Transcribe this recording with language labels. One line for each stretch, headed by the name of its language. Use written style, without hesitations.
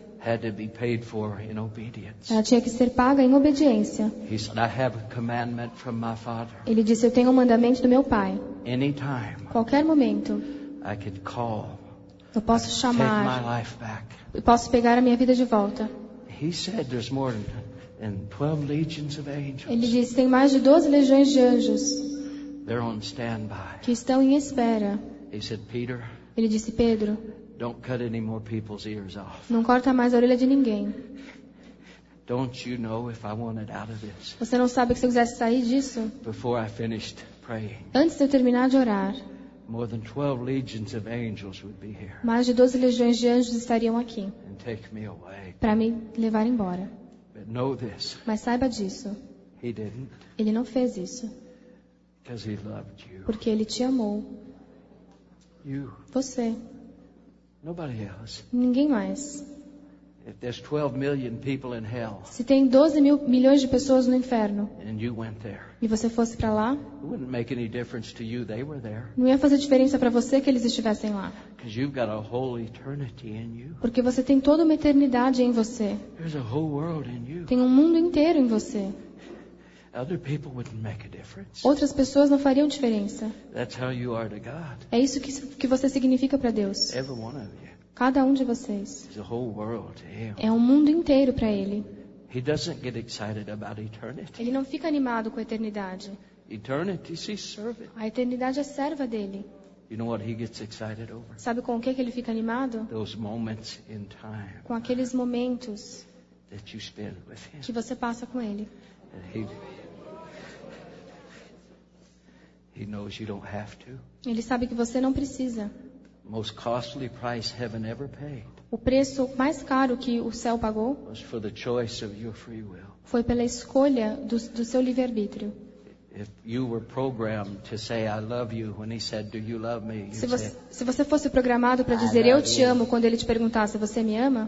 English: Had to be paid for in obedience.
Portuguese: Ela tinha que ser paga em obediência.
English: He said, I have a commandment from my father.
Portuguese: Ele disse, eu tenho um mandamento do meu Pai.
English: Anytime,
Portuguese: qualquer momento.
English: I could call,
Portuguese: eu posso chamar.
English: Take my life back.
Portuguese: Eu posso pegar a minha vida de volta.
English: He said, there's more than 12 legions of angels.
Portuguese: Ele disse, tem mais de 12 legiões de anjos.
English: They're on standby.
Portuguese: Que estão em espera.
English: He said, Peter,
Portuguese: ele disse, Pedro.
English: Don't cut any more people's ears off.
Portuguese: Não corta mais a orelha de ninguém.
English: Don't you know if I wanted out of this?
Portuguese: Você não sabe que se eu quisesse sair disso?
English: Before I finished praying.
Portuguese: Antes de eu terminar de orar.
English: More than 12 legions of angels would be here.
Portuguese: Mais de 12 legiões de anjos estariam aqui.
English: And take me away.
Portuguese: Para me levar embora.
English: But know this.
Portuguese: Mas saiba disso.
English: He didn't.
Portuguese: Ele não fez isso.
English: Because he loved you.
Portuguese: Porque ele te amou.
English: You.
Portuguese: Você.
English: Nobody else.
Portuguese: Ninguém mais.
English: If there's 12 million people in hell,
Portuguese: se tem 12 milhões de pessoas no inferno,
English: and you went there,
Portuguese: e você fosse para lá,
English: it wouldn't make any difference to you, they were there.
Portuguese: Não ia fazer diferença para você que eles estivessem lá.
English: Because you've got a whole eternity in you.
Portuguese: Porque você tem toda uma eternidade em você.
English: There's a whole world in you.
Portuguese: Tem um mundo inteiro em você.
English: Other people wouldn't make a difference.
Portuguese: Outras pessoas não fariam diferença.
English: That's how you are to God.
Portuguese: É isso que você significa para Deus.
English: Every one of you.
Portuguese: Cada um de vocês.
English: It's a whole world to him.
Portuguese: É um mundo inteiro para ele.
English: He doesn't get excited about eternity.
Portuguese: Ele não fica animado com a eternidade.
English: Eternity is his servant.
Portuguese: A eternidade é serva dele.
English: You know what he gets excited over?
Portuguese: Sabe com o que ele fica animado?
English: Those moments in time.
Portuguese: Com aqueles momentos
English: that you spend with him.
Portuguese: Que você passa com ele.
English: He knows you don't have to.
Portuguese: Ele sabe que você não precisa.
English: Most costly price heaven ever paid.
Portuguese: O preço mais caro que o céu pagou.
English: Was for the choice of your free will.
Portuguese: Foi pela escolha do seu livre-arbítrio.
English: If you were programmed to say I love you when he said do you love me?
Portuguese: Se você fosse programado para dizer eu te amo quando ele te perguntasse você me ama?